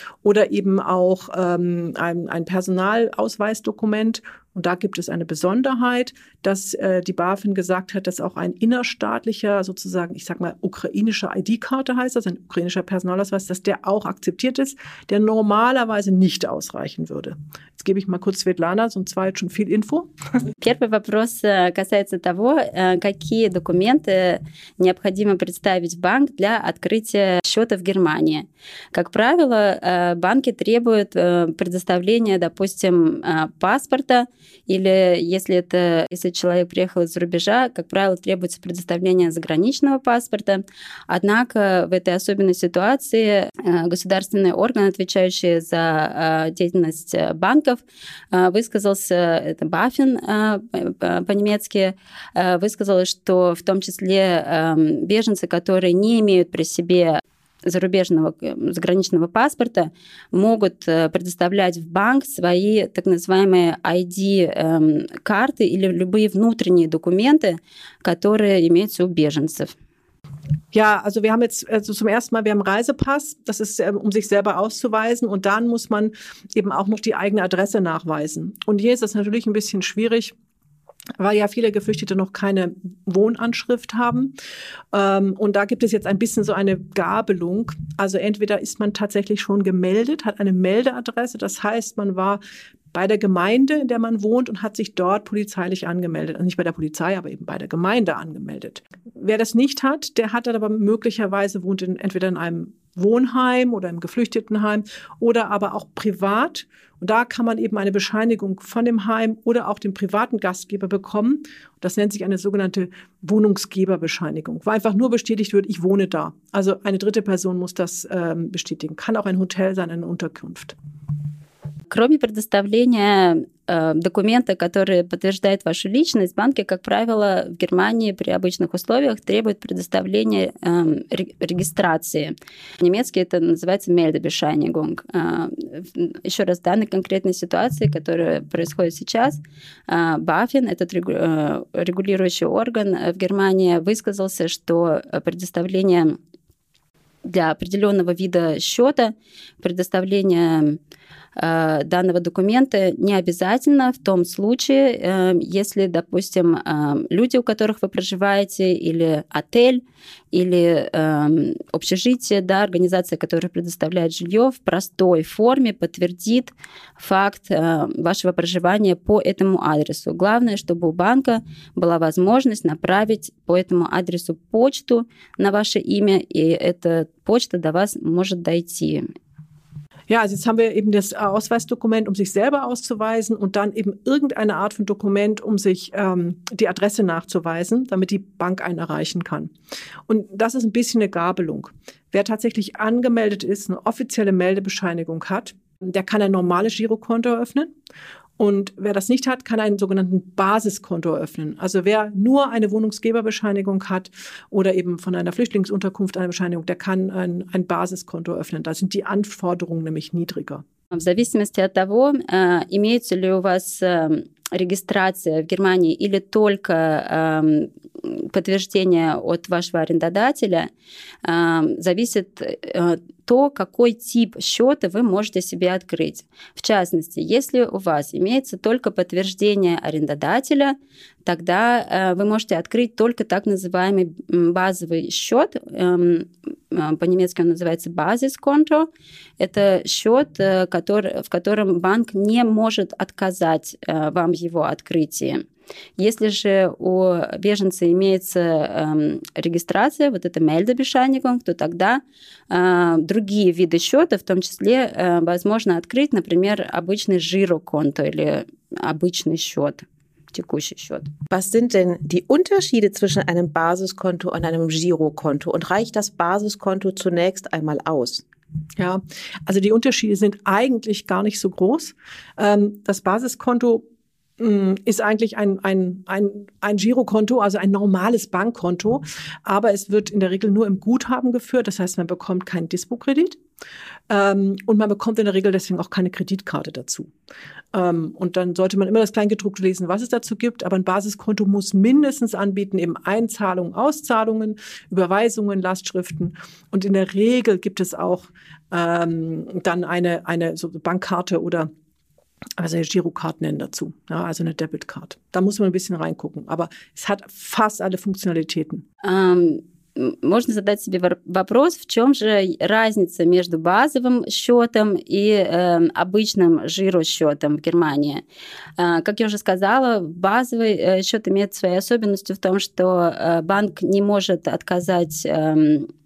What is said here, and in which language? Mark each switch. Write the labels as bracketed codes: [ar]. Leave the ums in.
[de] Oder eben auch ähm, ein, ein Personalausweisdokument und da gibt es eine Besonderheit, dass äh, die BaFin gesagt hat, dass auch ein innerstaatlicher, sozusagen, ich sag mal, ukrainischer ID-Karte heißt das, ein ukrainischer Personalausweis, dass der auch akzeptiert ist, der normalerweise nicht ausreichen würde. Jetzt gebe ich mal kurz Svetlana, sonst war jetzt schon viel Info. [ru] Первый вопрос касается того, какие документы необходимо представить в банк для открытия счета в Германии. Как правило, банки требуют предоставления, допустим, паспорта, Или если это, если человек приехал из рубежа, как правило, требуется предоставление заграничного паспорта. Однако в этой особенной ситуации государственный орган, отвечающий за деятельность банков, высказался, это Баффин по-немецки, высказал, что в том числе беженцы, которые не имеют при себе зарубежного, заграничного паспорта могут предоставлять в банк свои так называемые ID-карты или любые внутренние документы, которые имеются у беженцев. [de] Ja, also wir haben jetzt also zum ersten Mal, wir haben Reisepass, das ist, um sich selber auszuweisen und dann muss man eben auch noch die eigene Adresse nachweisen. Und hier ist das natürlich ein bisschen schwierig, weil ja viele Geflüchtete noch keine Wohnanschrift haben. und da gibt es jetzt ein bisschen so eine Gabelung. Also entweder ist man tatsächlich schon gemeldet, hat eine Meldeadresse, das heißt, man war bei der Gemeinde, in der man wohnt und hat sich dort polizeilich angemeldet. Also nicht bei der Polizei, aber eben bei der Gemeinde angemeldet. Wer das nicht hat, der hat dann aber möglicherweise wohnt in, entweder in einem Wohnheim oder im Geflüchtetenheim oder aber auch privat. Und da kann man eben eine Bescheinigung von dem Heim oder auch dem privaten Gastgeber bekommen. Das nennt sich eine sogenannte Wohnungsgeberbescheinigung, wo einfach nur bestätigt wird, ich wohne da. Also eine dritte Person muss das ähm, bestätigen. Kann auch ein Hotel sein, eine Unterkunft. [ru] Кроме предоставления э, документа, который подтверждает вашу личность, банки, как правило, в Германии при обычных условиях требуют предоставления э, регистрации. Немецкий это называется Meldebescheinigung. Э, еще раз, в данной конкретной ситуации, которая происходит сейчас, э, Баффин, этот регу, э, регулирующий орган в Германии, высказался, что предоставление для определенного вида счета предоставление э, данного документа не обязательно в том случае, э, если, допустим, э, люди, у которых вы проживаете, или отель, или э, общежитие, да, организация, которая предоставляет жилье в простой форме, подтвердит факт э, вашего проживания по этому адресу. Главное, чтобы у банка была возможность направить по этому адресу почту на ваше имя, и эта почта до вас может дойти. [de] Ja, also jetzt haben wir eben das Ausweisdokument, um sich selber auszuweisen und dann eben irgendeine Art von Dokument, um sich ähm, die Adresse nachzuweisen, damit die Bank einen erreichen kann. Und das ist ein bisschen eine Gabelung. Wer tatsächlich angemeldet ist, eine offizielle Meldebescheinigung hat, der kann ein normales Girokonto eröffnen. Und wer das nicht hat, kann einen sogenannten Basiskonto eröffnen. Also wer nur eine Wohnungsgeberbescheinigung hat oder eben von einer Flüchtlingsunterkunft eine Bescheinigung, der kann ein, ein Basiskonto eröffnen. Da sind die Anforderungen nämlich niedriger. [ru] В зависимости от того, имеется ли у вас регистрация в Германии или только подтверждение от вашего арендодателя, зависит то, какой тип счета вы можете себе открыть. В частности, если у вас имеется только подтверждение арендодателя, тогда вы можете открыть только так называемый базовый счет. По-немецки он называется базисконто. Это счет, который, в котором банк не может отказать вам его открытии. Если же у беженца имеется э, регистрация, вот это мельдобешайником, то тогда э, другие виды счета, в том числе, э, возможно открыть, например, обычный жироконто или обычный счет. текущий счет. [de] Was sind denn die Unterschiede zwischen einem Basiskonto und einem Girokonto? Und reicht das Basiskonto zunächst einmal aus? Ja, also die Unterschiede sind eigentlich gar nicht so groß. Das Basiskonto ist eigentlich ein, ein, ein, ein Girokonto, also ein normales Bankkonto, aber es wird in der Regel nur im Guthaben geführt, das heißt, man bekommt keinen Dispokredit ähm, und man bekommt in der Regel deswegen auch keine Kreditkarte dazu. Ähm, und dann sollte man immer das Kleingedruckte lesen, was es dazu gibt, aber ein Basiskonto muss mindestens anbieten, eben Einzahlungen, Auszahlungen, Überweisungen, Lastschriften und in der Regel gibt es auch ähm, dann eine, eine so Bankkarte oder also Girokarten dazu, ja, also eine Debitkarte. Da muss man ein bisschen reingucken, aber es hat fast alle Funktionalitäten. [ru] Ähm, можно задать себе вопрос, в чем же разница между базовым счетом и э, обычным жиросчетом в Германии. Э, как я уже сказала, базовый э, счет имеет свои особенности в том, что э, банк не может отказать э,